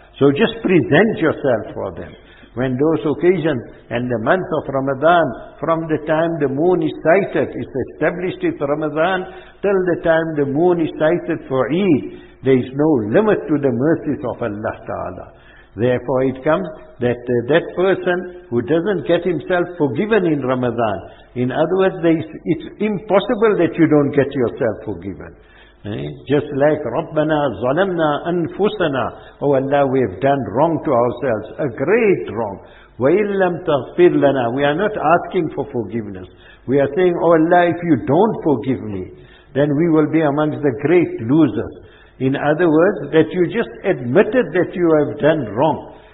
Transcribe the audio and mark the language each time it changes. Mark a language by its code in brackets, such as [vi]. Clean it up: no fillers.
[en] So just present yourself for them. When those occasions and the month of Ramadan, from the time the moon is sighted, it's established in Ramadan, till the time the moon is sighted for Eid, there is no limit to the mercies of Allah Ta'ala. Therefore it comes that that person who doesn't get himself forgiven in Ramadan, in other words, it's impossible that you don't get yourself forgiven. Just like [ar] رَبَّنَا ظَلَمْنَا أَنفُسَنَا. [en] Oh Allah, we have done wrong to ourselves, a great wrong. [ar] وَإِن لَمْ تَغْفِرْ لَنَا. [en] We are not asking for forgiveness. We are saying, oh Allah, if you don't forgive me, then we will be amongst the great losers. In other words, that you just admitted that you have done wrong.